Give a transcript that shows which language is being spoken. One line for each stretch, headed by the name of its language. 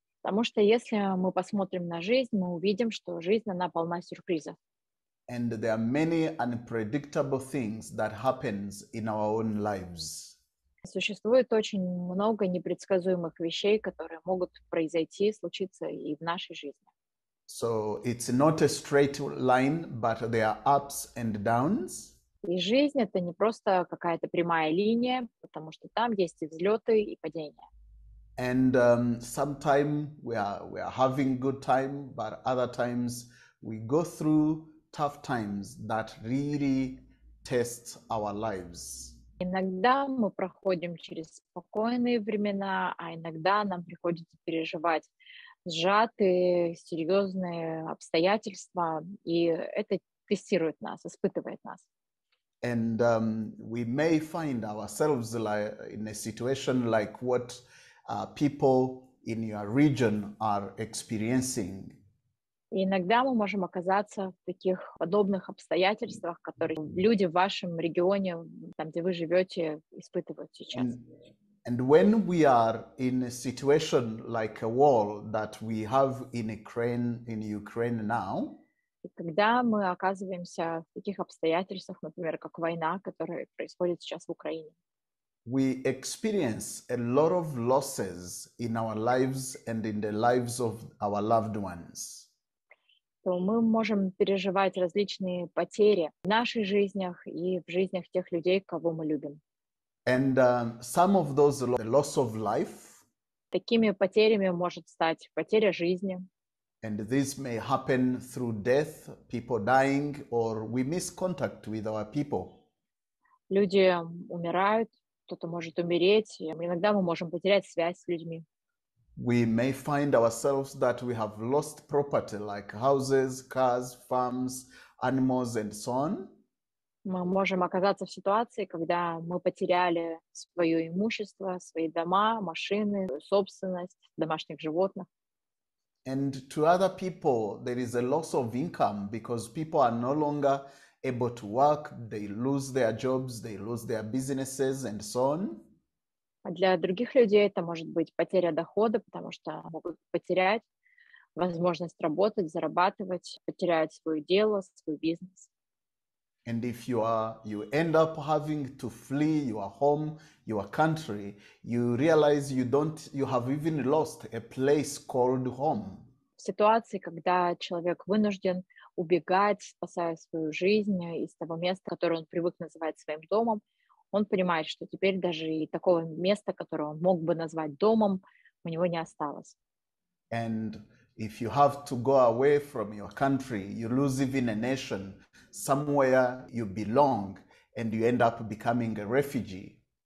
Russian: Потому что если мы посмотрим на жизнь, мы увидим, что жизнь, она полна сюрпризов.
English: And there are many unpredictable things that happens in our own lives.
Russian: Существует очень много непредсказуемых вещей, которые могут произойти, случиться и в нашей жизни.
English: So it's not a straight line, but there are ups and downs.
Russian: И жизнь — это не просто какая-то прямая линия, потому что там есть и взлеты, и падения.
English: And sometimes we are having good time, but other times we go through tough times that really test our lives.
Russian: Иногда мы проходим через спокойные времена, а иногда нам приходится переживать сжатые, серьезные обстоятельства, и это тестирует нас, испытывает нас.
English: And we may find ourselves in a situation like what people in your region are experiencing.
Russian: Иногда мы можем оказаться в таких подобных обстоятельствах, которые люди в вашем регионе, там, где вы живете, испытывают сейчас.
English: And when we are in a situation like a war that we have in Ukraine now,
Russian: и когда мы оказываемся в таких обстоятельствах, например, как война, которая происходит сейчас в Украине,
English: we experience a lot of losses in our lives and in the lives of our loved ones.
Russian: То мы можем переживать различные потери в наших жизнях и в жизнях тех людей, кого мы любим.
English: And some of those loss of life.
Russian: Такими потерями может стать потеря жизни.
English: And this may happen through death, people dying, or we miss contact with our people.
Russian: Люди умирают. Кто-то может умереть, и иногда мы можем потерять связь с людьми.
English: We may find ourselves that we have lost property, like houses, cars, farms, animals, and so on.
Russian: Мы можем оказаться в ситуации, когда мы потеряли свое имущество, свои дома, машины, собственность, домашних животных.
English: And to other people, there is a loss of income because people are no longer able to work, they lose their jobs, they lose their businesses, and so on.
Russian: Для других людей это может быть потеря дохода, потому что могут потерять возможность работать, зарабатывать, потерять свое дело, свой бизнес.
English: And if you are, you end up having to flee your home, your country, you realize you don't, you have even lost a place called home.
Russian: В ситуации, когда человек вынужден убегать, спасая свою жизнь из того места, которое он привык называть своим домом, он понимает, что теперь даже и такого места, которое он мог бы назвать домом, у него не осталось.
English: And if you have to go away from your country, you lose even a nation, somewhere you belong, and you end up becoming a refugee.